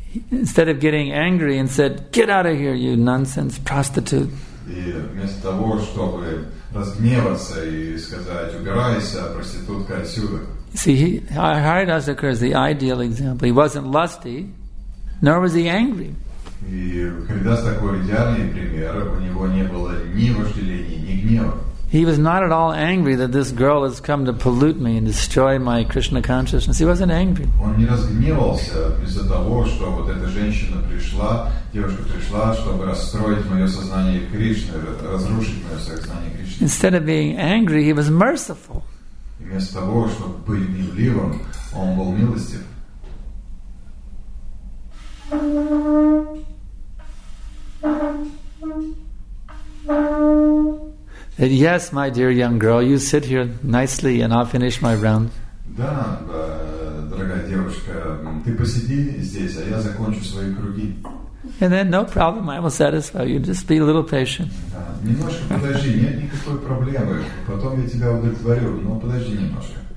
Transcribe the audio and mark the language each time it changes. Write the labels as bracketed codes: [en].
[en] Instead of getting angry and said, get out of here, you nonsense prostitute. [ru] И вместо того, чтобы разгневаться и сказать, убирайся, проститутка, отсюда. [en] See, Haridas Thakur is the ideal example. He wasn't lusty, nor was he angry. [ru] И Haridas Thakur идеальный пример. У него не было ни вожделения, ни гнева. [en] He was not at all angry that this girl has come to pollute me and destroy my Krishna consciousness. He wasn't angry. [ru] Он не разгневался из-за того, что вот эта женщина пришла, девушка пришла, чтобы расстроить мое сознание Кришны, разрушить мое сознание Кришны. [en] Instead of being angry, he was merciful. [ru] Вместо того, чтобы быть милливым, он был милостив. [en] And yes, my dear young girl, you sit here nicely and I'll finish my round. [ru] Да, дорогая девушка, ты посиди здесь, а я закончу свои круги. [en] And then no problem, I will satisfy you. Just be a little patient. [ru] Немножко подожди, нет никакой проблемы. Потом я тебя удовлетворю, но подожди немножко.